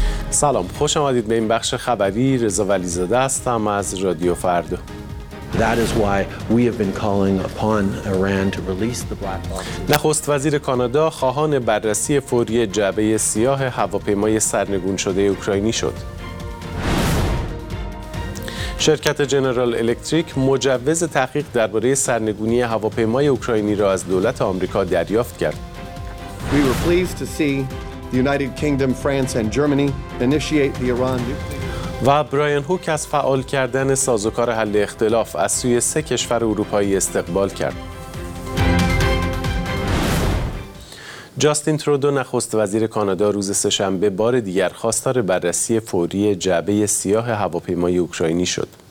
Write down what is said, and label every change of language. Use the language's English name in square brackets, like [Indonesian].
[Persian] سلام، خوش آمدید به این بخش خبری. رضا ولی‌زاده هستم از رادیو فردا. [English] That is why we have been calling upon Iran to release the black box. [Persian] نخست وزیر کانادا خواهان بررسی فوری جعبه سیاه هواپیمای سرنگون شده اوکراینی شد. شرکت جنرال الکتریک مجوز تحقیق درباره سرنگونی هواپیمای اوکراینی را از دولت آمریکا دریافت کرد. [English] We were pleased to see the United Kingdom, France and Germany initiate the Iran nuclear. [Persian] و برایان هوک از فعال کردن سازوکار حل اختلاف از سوی سه کشور اروپایی استقبال کرد. جاستین ترودو نخست وزیر کانادا روز سه‌شنبه بار دیگر خواستار بررسی فوری جعبه سیاه هواپیمای اوکراینی شد.